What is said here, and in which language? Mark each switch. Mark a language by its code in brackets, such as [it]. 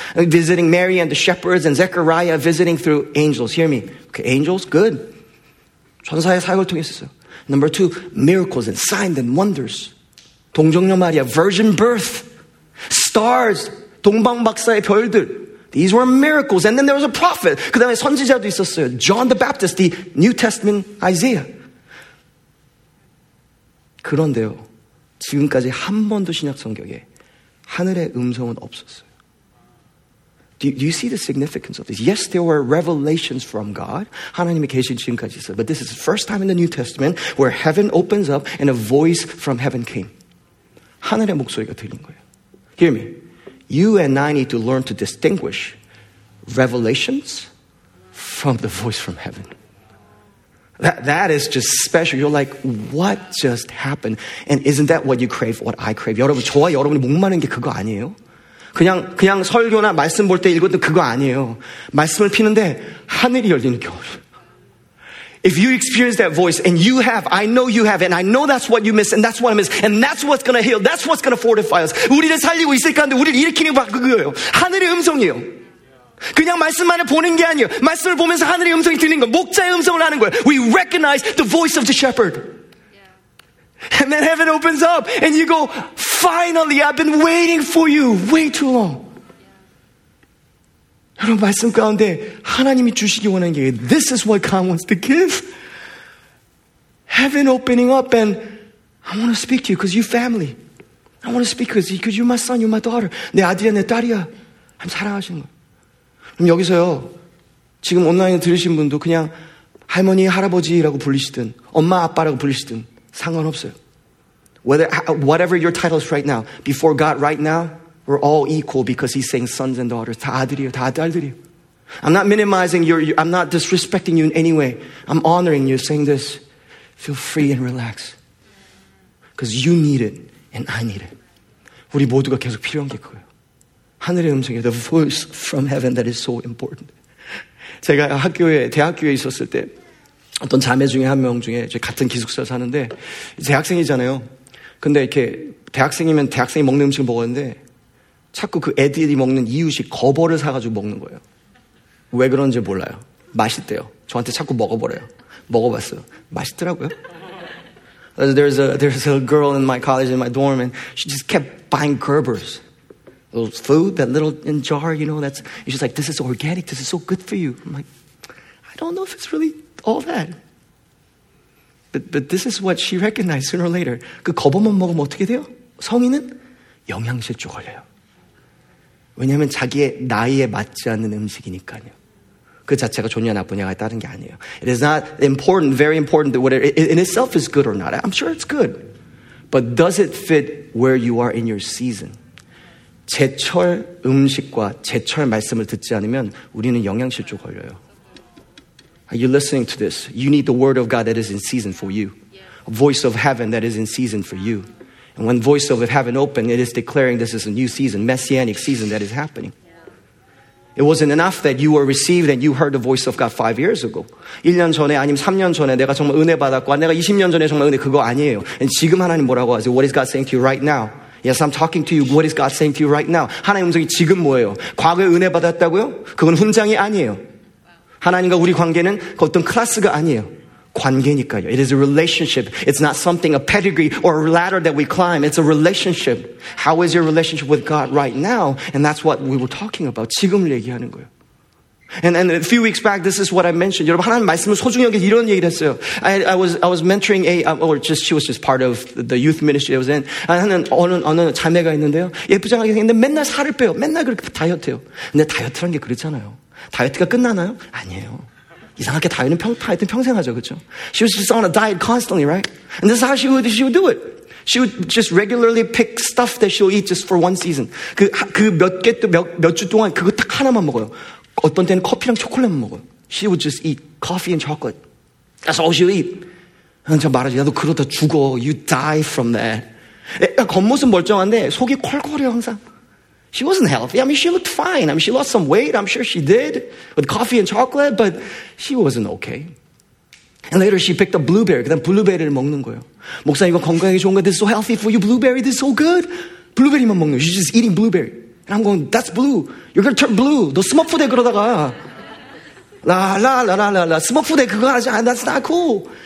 [en] Visiting Mary and the shepherds and Zechariah, visiting through angels. Hear me. Okay, angels, good. [ko] 천사의 사역을 통해 있었어요. [en] Number two, miracles and signs and wonders. [ko] 동정녀 마리아, [en] virgin birth, stars, [ko] 동방박사의 별들. [en] These were miracles. And then there was a prophet. [ko] 그 다음에 선지자도 있었어요. [en] John the Baptist, the New Testament Isaiah. [ko] 그런데요, 지금까지 한 번도 신약 성경에 하늘의 음성은 없었어요. [en] Do you see the significance of this? Yes, there were revelations from God. [ko] 하나님의 계시 지금까지 있어요. [en] But this is the first time in the New Testament where heaven opens up and a voice from heaven came. [ko] 하늘의 목소리가 들린 거예요. [en] Hear me. You and I need to learn to distinguish revelations from the voice from heaven. That is just special. You're like, what just happened? And isn't that what you crave, what I crave? [ko] 여러분, 저와 여러분이 목마른 게 그거 아니에요? 그냥 설교나 말씀 볼 때 읽어도 그거 아니에요. 말씀을 피는데 하늘이 열리는 겨울. [en] If you experience that voice, and you have, I know you have, and I know that's what you miss, and that's what I miss, and that's what's going to heal, that's what's going to fortify us. [ko] 우리를 살리고 있을 건데 우리를 일으키는 게 그거예요. 하늘의 음성이에요. 그냥 말씀만을 보는 게 아니에요. 말씀을 보면서 하늘의 음성이 들리는 거예요. 목자의 음성을 하는 거예요. [en] We recognize the voice of the shepherd. Yeah. And then heaven opens up, and you go, finally, I've been waiting for you way too long. Yeah. [ko] 여러분, 말씀 가운데 하나님이 주시기 원하는 게, [en] this is what God wants to give. Heaven opening up, and I want to speak to you because you're family. I want to speak to you because you're my son, you're my daughter. [ko] 내 아들이야, 내 딸이야. 하나님 사랑하시는 거예요. 그럼 여기서요, 지금 온라인에 들으신 분도 그냥 할머니, 할아버지라고 불리시든, 엄마, 아빠라고 불리시든 상관없어요. [en] Whatever your title is right now, before God right now, we're all equal because he's saying sons and daughters. [ko] 다 아들이에요, 다 딸들이에요. [en] I'm not minimizing your, I'm not disrespecting you in any way. I'm honoring you, saying this. Feel free and relax. Because you need it, and I need it. [ko] 우리 모두가 계속 필요한 게 그거예요. 하늘의 음성이에요. [en] The voice from heaven that is so important. [ko] 제가 대학교에 있었을 때 어떤 자매 중에 한 명 중에 같은 기숙사에서 사는데 대학생이잖아요. 근데 이렇게 대학생이면 대학생이 먹는 음식을 먹었는데 자꾸 그 애들이 먹는 이유식 거버를 사가지고 먹는 거예요. 왜 그런지 몰라요. 맛있대요. 저한테 자꾸 먹어버려요. 먹어봤어요. 맛있더라고요. [en] There's a girl in my college, in my dorm, and she just kept buying Gerbers. Those food, that little in jar, you know, that's, and she's like, this is organic, this is so good for you. I'm like, I don't know if it's really all that. But this is what she recognized sooner or later. [ko] 그 거버만 먹으면 어떻게 돼요? 성인은 영양실조 걸려요. 왜냐하면 자기의 나이에 맞지 않는 음식이니까요. 그 자체가 좋냐 나쁘냐가 따른 게 아니에요. [en] It is not important, very important that whatever in itself is good or not. I'm sure it's good. But does it fit where you are in your season? [ko] 제철 음식과 제철 말씀을 듣지 않으면 우리는 영양실조 걸려요. [en] Are you listening to this? You need the word of God that is in season for you. A voice of heaven that is in season for you. And when voice of heaven opened, it is declaring this is a new season, messianic season that is happening. It wasn't enough that you were received and you heard the voice of God 5 years ago. [ko] 1년 전에 아니면 3년 전에 내가 정말 은혜 받았고 내가 20년 전에 정말 은혜 그거 아니에요. And 지금 하나님 뭐라고 하세요? [en] What is God saying to you right now? Yes, I'm talking to you. What is God saying to you right now? [ko] 하나님 음성이 지금 뭐예요? 과거에 은혜 받았다고요? 그건 훈장이 아니에요. 하나님과 우리 관계는 그 어떤 클래스가 아니에요. 관계니까요. [en] It is a relationship. It's not something, a pedigree or a ladder that we climb. It's a relationship. How is your relationship with God right now? And that's what we were talking about. [ko] 지금을 얘기하는 거예요. [en] And a few weeks back, this is what I mentioned. [ko] 여러분, 하나님 말씀을 소중히 여기 이런 얘기를 했어요. [en] I was mentoring she was just part of the youth ministry I was in. [ko] 하는 어느 자매가 있는데요. 예쁘장하게 생겼는데 맨날 살을 빼요. 맨날 그렇게 다이어트해요. 근데 다이어트란 게 그렇잖아요. 다이어트가 끝나나요? 아니에요. 이상하게 다이어트는 하여튼 평생 하죠, 그렇죠? [en] She was just on a diet constantly, right? And this is how she would do it. She would just regularly pick stuff that she'll eat just for one season. [ko] 몇 주 동안 그거 딱 하나만 먹어요. 어떤 때는 커피랑 초콜릿만 먹어요. [en] She would just eat coffee and chocolate. That's all she'll eat. [ko] 난 저 말하지, 나도 그러다 죽어. [en] You die from that. [ko] 겉모습 멀쩡한데 속이 콜콜해요, 항상. [en] She wasn't healthy. I mean, she looked fine. I mean, she lost some weight. I'm sure she did with coffee and chocolate, but she wasn't okay. And later she picked up blueberry. [ko] 그다음 블루베리를 먹는 거예요. 목사님, 이거 건강에 좋은 거. [en] This is so healthy for you. Blueberry, this is so good. [ko] 블루베리만 먹는 거예요. [en] She's just eating blueberry. And I'm going, that's blue. You're going to turn blue. [ko] 너 스머프 돼, 그러다가. 라라라라라라. 스머프 돼, 그거 하지. [en] That's not cool.